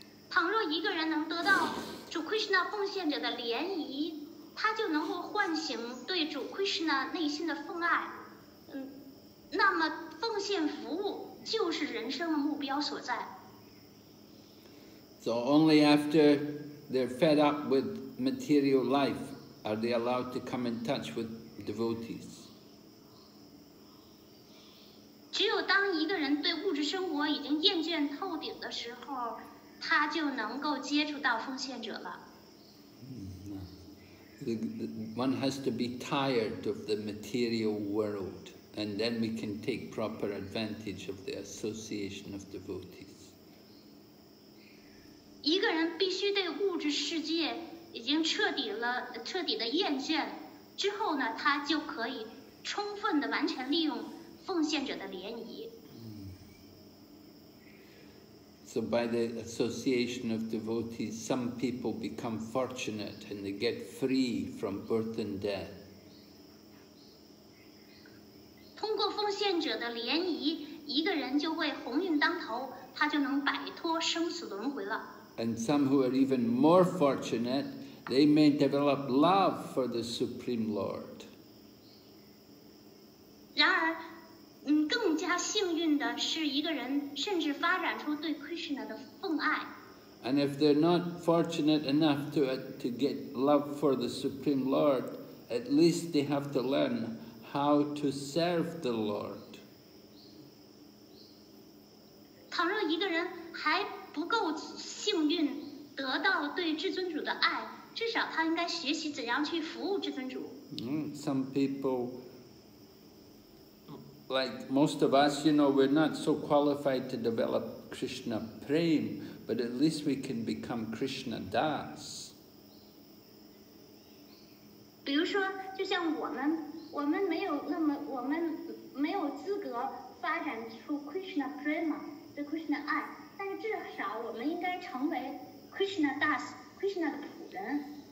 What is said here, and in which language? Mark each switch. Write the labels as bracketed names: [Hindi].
[Chinese] 倘若一个人能得到主 Krishna 奉献者的联谊，他就能够唤醒对主 Krishna 内心的奉爱，那么奉献服务就是人生的目标所在。 [English] So only after they're fed up with material life are they allowed to come in touch with devotees. [Chinese] 只有当一个人对物质生活已经厌倦透顶的时候，他就能够接触到奉献者了。 [English] One has to be tired of the material world, and then we can take proper advantage of the association of devotees. [Chinese] 一个人必须对物质世界已经彻底的厌倦，之后呢，他就可以充分的完全利用奉献者的联谊。 [English] So by the association of devotees, some people become fortunate and they get free from birth and death. [Chinese] 通过奉献者的联谊，一个人就会鸿运当头，他就能摆脱生死轮回了。 [English] And some who are even more fortunate, they may develop love for the Supreme Lord. [Chinese] 然而更加幸运的是一个人甚至发展出对 Krishna 的奉爱。 [English] And if they're not fortunate enough to get love for the Supreme Lord, at least they have to learn how to serve the Lord. [Chinese] 倘若一个人还不够幸运得到对至尊主的爱，至少他应该学习怎样去服务至尊主。 [English] Some people,like most of us, you know, we're not so qualified to develop Krishna Prem, but at least we can become Krishna Das. [Chinese] 比如说，就像我们没有那么，我们没有资格发展出 Krishna Prem 的 Krishna 爱，但是至少我们应该成为 Krishna Das, Krishna 的仆人。